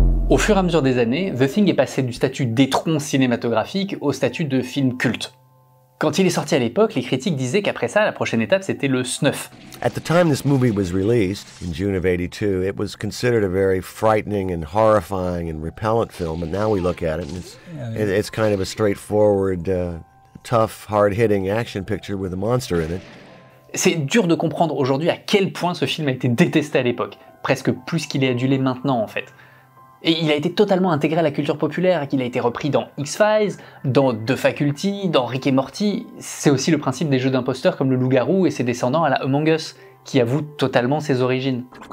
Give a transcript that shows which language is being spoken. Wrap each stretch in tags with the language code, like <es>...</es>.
<fr>Au fur et à mesure des années, The Thing est passé du statut d'étron cinématographique au statut de film culte. Quand il est sorti à l'époque, les critiques disaient qu'après ça, la prochaine étape, c'était le snuff.</fr> <en>At the time this movie was released, in June of 82, it was considered a very frightening and horrifying and repellent film, and now we look at it, and it's kind of a straightforward, tough, hard-hitting action picture with a monster in it.</en> <fr>C'est dur de comprendre aujourd'hui à quel point ce film a été détesté à l'époque, presque plus qu'il est adulé maintenant en fait. Et il a été totalement intégré à la culture populaire, qu'il a été repris dans X-Files, dans The Faculty, dans Rick et Morty. C'est aussi le principe des jeux d'imposteurs comme le loup-garou et ses descendants à la Among Us, qui avouent totalement ses origines.</fr>